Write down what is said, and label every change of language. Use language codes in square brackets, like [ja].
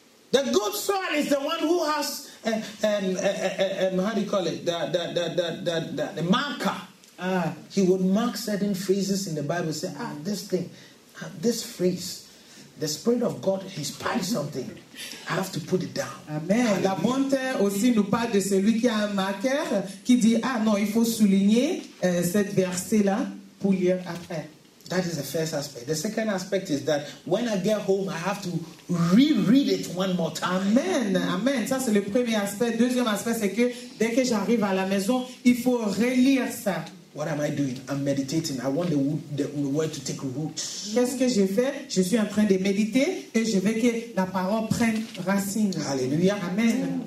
[en] The good soil is the one who has how do you call it? The marker. He would mark certain phrases in the Bible and say, this thing, this phrase, the Spirit of God inspired something. I have to put it down. Amen. [fr] La bonne terre aussi nous parle de celui qui a un marqueur qui dit, il faut souligner cette verset-là pour lire après. [en] That is the first aspect. The second aspect is that when I get home, I have to reread it one more time. [fr] Amen. Amen. Ça, c'est le premier aspect. Deuxième aspect, c'est que dès que j'arrive à la maison, il faut relire ça. [en] What am I doing? I'm meditating. I want the word to take root. [fr] Qu'est-ce que je fais? Je suis en train de méditer et je veux que la parole prenne racine. [en] Hallelujah. Amen.